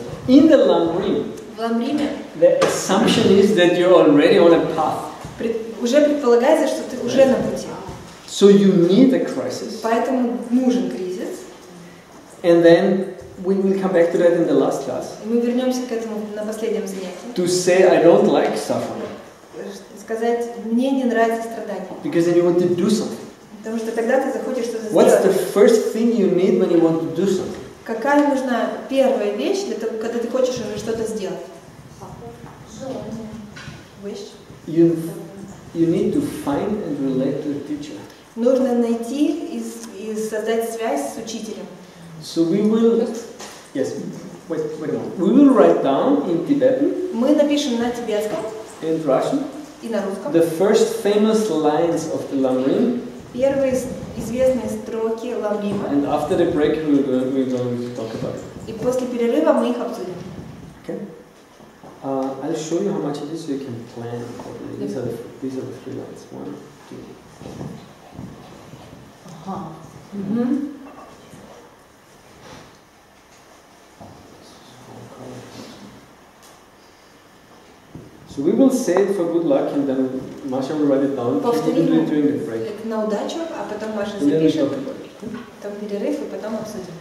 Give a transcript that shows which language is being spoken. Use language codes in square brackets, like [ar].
[en] In the Ламрим. [ru] В Ламриме. [en] The assumption is that you're already on a path. [ru] Уже предполагается, что ты уже на пути. [en] So you need a crisis. [ru] Поэтому нужен кризис. [en] And then we will come back to that in the last class. [ru] И мы вернемся к этому на последнем занятии. [en] To say I don't like suffering. [ru] Сказать мне не нравится страдание. [en] Because then you want to do something. [ru] Потому что тогда ты захочешь что-то сделать. [en] What's the first thing you need when you want to do something? [ru] Какая нужна первая вещь для того, когда ты хочешь уже что-то сделать? Желание. [en] You need to find and relate to the teacher. [ru] Нужно найти и создать связь с учителем. [en] So we will. Yes. Wait a minute. We will write down in Tibetan. [ru] Мы напишем на тибетском. [en] In Russian. [ru] И на русском. [en] The first famous lines of the Ламрим. [ru] Первые известные строки Ламрима. [en] And after the break we're going to talk about it. [ru] И после перерыва мы их обсудим. [en] Okay. I'll show you how much it is, so you can plan properly. Yep. These are the three lines. 1, 2. Uh-huh. Mm-hmm. So we will say it for good luck, and then Masha will write it down. [ru] Повтори. [en] We'll do it during the break. Like, [ru] на удачу, а потом Маша запишет. [en] And then we talk about it. [ru] Там перерыв, и потом обсудим.